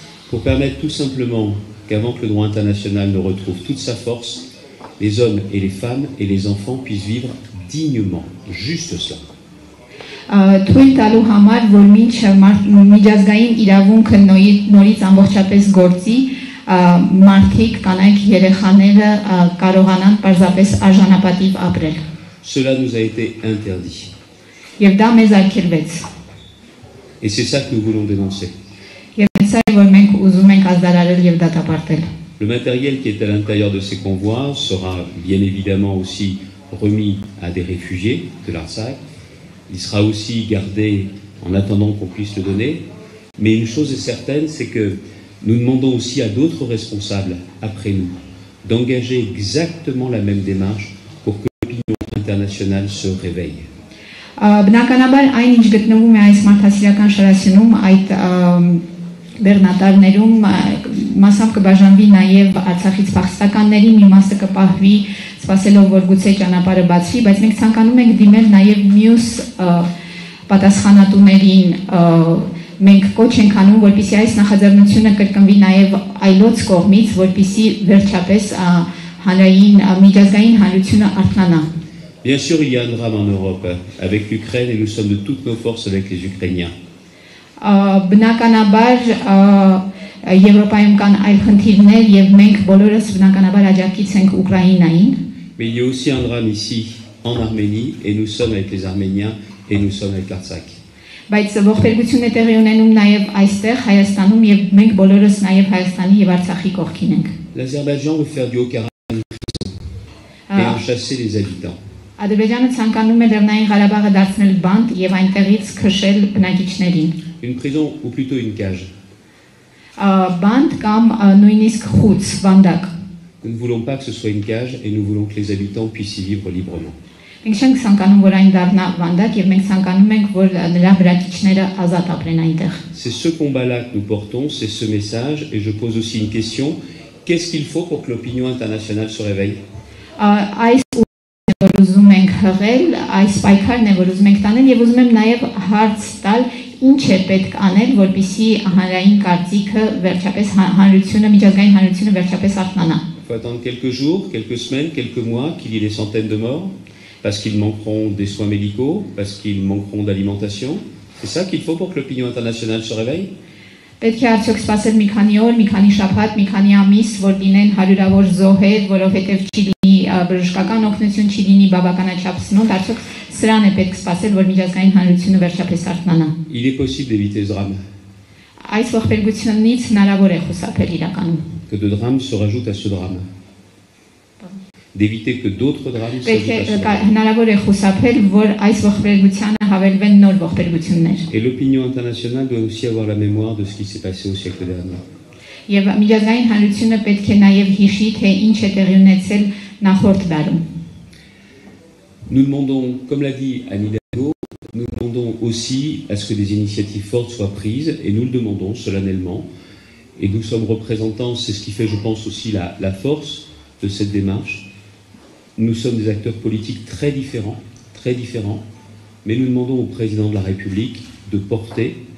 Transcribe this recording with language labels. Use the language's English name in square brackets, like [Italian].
[French] Pour permettre tout simplement qu'avant que le droit international ne retrouve toute sa force, les hommes et les femmes et les enfants puissent vivre dignement, juste cela. [Armenian] Թույլ տալու համար, որ մինչ միջազգային իրավունքը նորից ամբողջապես գործի, մարդիկ, կանայք, երեխաները կարողանան պարզապես արժանապատիվ ապրել. [French] Cela nous a été interdit. [Armenian] Եվ դա մեզ արգելվեց. [French] Et c'est ça que nous voulons dénoncer. [Armenian] Եվ սա է, որ մենք ուզում ենք ազդարարել եւ դատապարտել. [French] Le matériel qui est à l'intérieur de ces convois sera bien évidemment aussi remis à des réfugiés de l'Artsakh. Il sera aussi gardé en attendant qu'on puisse le donner. Mais une chose est certaine, c'est que nous demandons aussi à d'autres responsables, après nous, d'engager exactement la même démarche pour que l'opinion internationale se réveille. [Armenian] Բնականաբար այն ինչ գտնվում է այս մարդասիրական շարասյունում, այդ բեռնատարներում մասամբ կբաժանվի նաև Արցախից փախստականների, մի մասը կպահվի սպասելով, որ գուցե ճանապարհը բացվի, բայց մենք ցանկանում ենք դիմել նաև մյուս պատասխանատուներին, մենք կոչ ենք անում, որպեսզի այս նախաձեռնությունը կրկնվի նաև այլոց կողմից, որպեսզի վերջապես հանրային միջազգային հանրությունը արթնանա. [French] Bien sûr, il y a un drame en Europe avec l'Ukraine et nous sommes de toutes nos forces avec les Ukrainiens. [Armenian] Բնականաբար Եվրոպայում կան այլ խնդիրներ եւ մենք բոլորս բնականաբար աջակից ենք Ուկրաինային. [French] Mais il y a aussi un drame ici en Arménie et nous sommes avec les Arméniens et nous sommes avec Artsakh. [Armenian] Բայց ողբերգությունը տեղի ունենում նաեւ այստեղ Հայաստանում եւ մենք բոլորս նաեւ Հայաստանի եւ Արցախի կողքին ենք. [French] L'Azerbaïdjan veut faire du Haut-Karabakh et chasser les habitants. [Armenian] Ադրբեջանը ցանկանում է Լեռնային Ղարաբաղը դարձնել բանտ եւ այնտեղից քշել բնակիչներին. [French] Une prison ou plutôt une cage. [Armenian] Բանտ կամ նույնիսկ խուց, բանդակ. [French] Nous ne voulons pas que ce soit une cage et nous voulons que les habitants puissent y vivre librement. [Armenian] Մենք չենք ցանկանում, որ այն դառնա բանդակ եւ մենք ցանկանում ենք, որ նրա բնակիչները ազատ ապրեն այնտեղ. [French] C'est ce combat-là que nous portons, c'est ce message et je pose aussi une question. Qu'est-ce qu'il faut pour que l'opinion internationale se réveille? [Armenian] Այս ուզում ենք հղել, այս պայքարն է, որ ուզում ենք տանել եւ ուզում եմ նաեւ հարց տալ. Ինչ է պետք անել, որպեսզի հանրային կարծիքը վերջապես հանրությունը, միջազգային հանրությունը վերջապես արթնանա? [French] Attendre quelques jours, quelques semaines, quelques mois qu'il y ait des centaines de morts parce qu'ils manqueront des soins médicaux, parce qu'ils manqueront d'alimentation. C'est ça qu'il faut pour que l'opinion internationale se réveille? [Armenian] Պետք է արդյոք սпасել մի քանի օր, մի քանի շաբաթ, մի քանի ամիս, որ լինեն հարյուրավոր զոհեր, որովհետև չի լինի բժշկական օգնություն չի լինի բավականաչափսնում դարձյոք սրան է պետք սпасել որ միջազգային հանրությունը վերջապես արթնանա [French] Il est possible d'éviter ce drame [Armenian] Այս ողբերգությունից հնարավոր է խուսափել իրականում [French] Que de drames se rajoutent à ce drame D'éviter que d'autres drames se rajoutent [Armenian] Հնարավոր է խուսափել որ այս ողբերգությանը հավելվեն նոր ողբերգություններ [French] Et l'opinion internationale doit aussi avoir la mémoire de ce qui s'est passé au siècle dernier [Armenian] Եվ միջազգային հանրությունը պետք է նաև հիշի, թե ինչ է տեղի ունեցել նախորդ դարում։ [French] Nous demandons, comme l'a dit Anne Hidalgo, nous demandons aussi à ce que des initiatives fortes soient prises, et nous le demandons solennellement. Et nous sommes représentants, c'est ce qui fait, je pense, aussi la force de cette démarche. Nous sommes des acteurs politiques très différents, mais nous demandons au président de la République de porter.